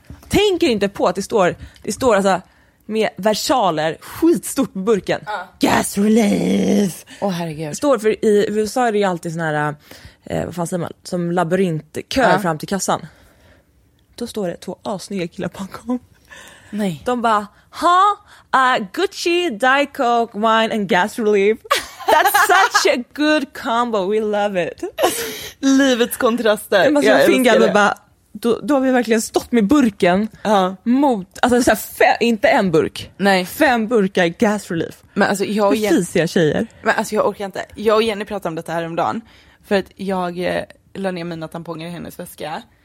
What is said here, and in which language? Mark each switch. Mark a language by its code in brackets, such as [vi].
[sv] Tänker inte på att det står alltså med versaler skitstort på burken. [en] Gas relief. [sv] Åh, herregud. Står, för i USA är det ju alltid sån här, vad fan säger man, som labyrintkö fram till kassan. Då står det 2 assnygga killar bakom. Nej. De bara, [en] Gucci, Diet Coke, wine and gas relief. That's such a good combo, we love it. [sv] Livets kontraster. Alltså, jag fingrar bara, då har vi verkligen stått med burken mot, alltså så här, inte en burk. Nej. 5 burkar gas relief. Men alltså jag och Jenny, fisiga tjejer. Men alltså jag orkar inte. Jag och Jenny pratade om detta här om dagen. För att jag la ner mina tamponger i hennes väska.